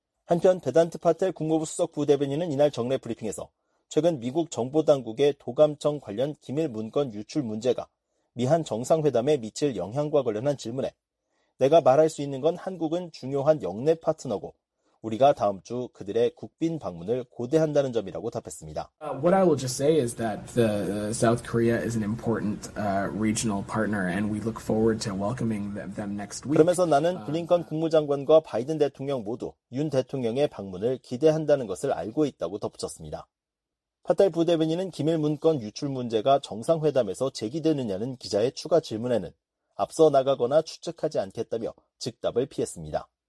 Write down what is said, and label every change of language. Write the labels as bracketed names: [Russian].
[Korean] 한편 베단트 파텔 국무부 수석 부대변인은 이날 정례 브리핑에서 최근 미국 정보당국의 도감청 관련 기밀 문건 유출 문제가 미한 정상회담에 미칠 영향과 관련한 질문에 내가 말할 수 있는 건 한국은 중요한 역내 파트너고 우리가 다음 주 그들의 국빈 방문을 고대한다는 점이라고 답했습니다. [English] What I will just say is that the South Korea is an important regional partner and we look forward to welcoming them next week. [Korean] 그러면서 나는 블링컨 국무장관과 바이든 대통령 모두 윤 대통령의 방문을 기대한다는 것을 알고 있다고 덧붙였습니다. 파탈 부대변인은 기밀 문건 유출 문제가 정상회담에서 제기되느냐는 기자의 추가 질문에는 앞서 나가거나 추측하지 않겠다며 즉답을 피했습니다.